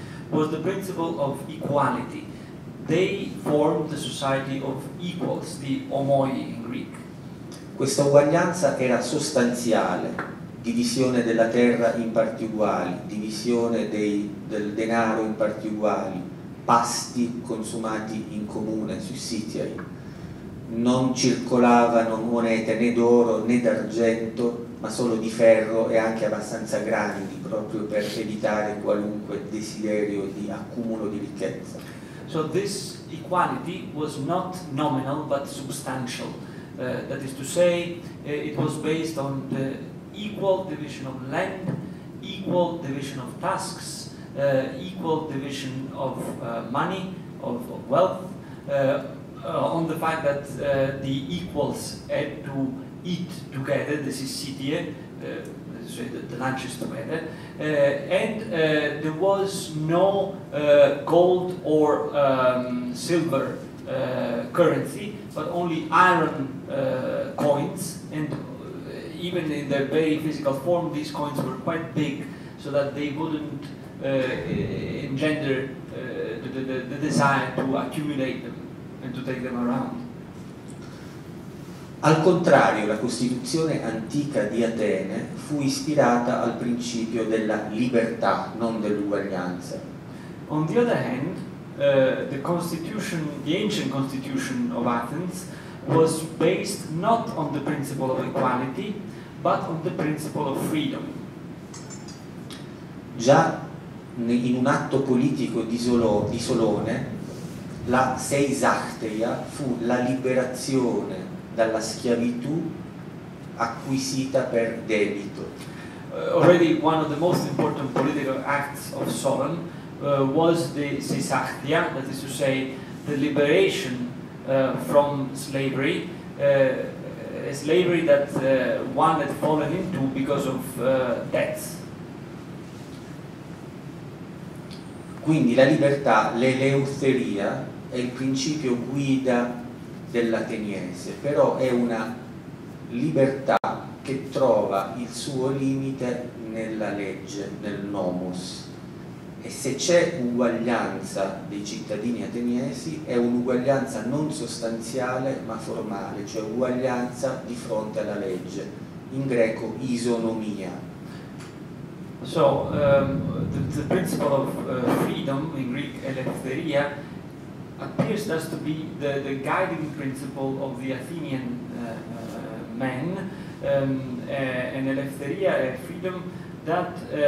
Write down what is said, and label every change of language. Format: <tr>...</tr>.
<en>was the principle of equality. They formed the society of equals, the homoi in Greek.</en> <it>Questa uguaglianza era sostanziale, divisione della terra in parti uguali, divisione del denaro in parti uguali, pasti consumati in comune, sussidiari. Non circolavano monete né d'oro né d'argento, ma solo di ferro e anche abbastanza grandi, proprio per evitare qualunque desiderio di accumulo di ricchezza.</it> <en>So this equality was not nominal but substantial. That is to say, it was based on the equal division of land, equal division of tasks, equal division of money, of wealth, on the fact that the equals had to eat together, the sissitiae, the lunches together, and there was no gold or silver currency, but only iron coins, and even in their very physical form, these coins were quite big, so that they wouldn't engender the desire to accumulate them and to take them around.</en> <it>Al contrario, la Costituzione antica di Atene fu ispirata al principio della libertà, non dell'uguaglianza.</it> <en>On the other hand, the constitution, the ancient constitution of Athens, was based not on the principle of equality, but on the principle of freedom.</en> <it>Già in un atto politico di Solone, la seisachteia fu la liberazione dalla schiavitù acquisita per debito.</it> <en>Already one of the most important political acts of Solon was the seisachteia, that is to say, the liberation from slavery, a slavery that one had fallen into because of debts.</en> <it>Quindi la libertà, l'eleutheria, è il principio guida dell'ateniese, però è una libertà che trova il suo limite nella legge, nel nomos. E se c'è uguaglianza dei cittadini ateniesi, è un'uguaglianza non sostanziale ma formale, cioè uguaglianza di fronte alla legge, in greco isonomia.</it> <en>So, the principle of freedom, in Greek eleutheria, appears thus to be the guiding principle of the Athenian man, an eleutheria, a freedom that</en>